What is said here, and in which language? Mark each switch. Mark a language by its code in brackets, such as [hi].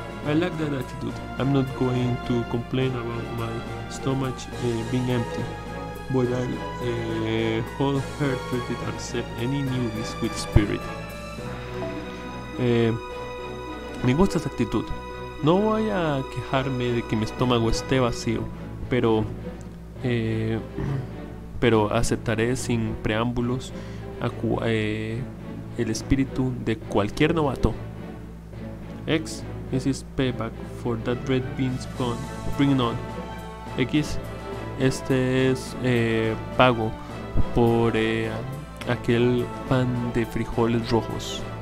[en] I like that attitude. I'm not going to complain about my stomach being empty. But I'll wholeheartedly accept any newbies with spirit. [es] Me gusta esa actitud. No voy a quejarme de que mi estómago esté vacío, pero aceptaré sin preámbulos el espíritu de cualquier novato. [en] X, This is payback for that red beans gun. Bring it on. X. [es] Este es pago por aquel pan de frijoles rojos.